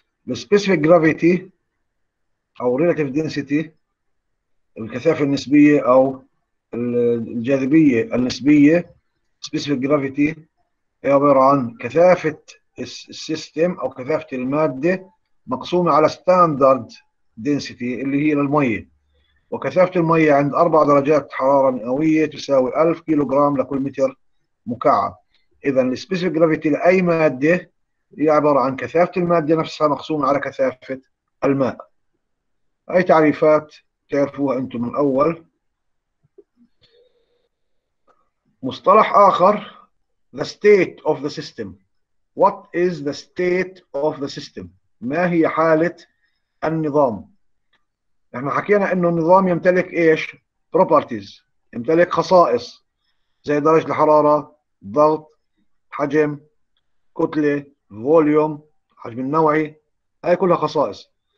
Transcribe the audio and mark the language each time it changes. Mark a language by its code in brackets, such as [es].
[ar] specific gravity أو relative density الكثافة النسبية أو الجاذبية النسبية، specific gravity هي عبارة عن كثافة السيستم أو كثافة المادة مقسومة على ستاندرد دينسيتي اللي هي للمية، وكثافة المية عند 4 درجات حرارة مئوية تساوي 1000 كيلوغرام لكل متر مكعب. إذن السبيسيفيك جرافيتي لأي مادة هي عبارة عن كثافة المادة نفسها مقسومة على كثافة الماء. أي تعريفات تعرفوها أنتم من الأول. مصطلح آخر [en] the state of the system. What is the state of the system؟ [ar] ما هي حالة النظام؟ احنا حكينا انه النظام يمتلك ايش؟ بروبرتيز، يمتلك خصائص زي درجة الحرارة، ضغط، حجم، كتلة، فوليوم، حجم النوعي، هاي كلها خصائص.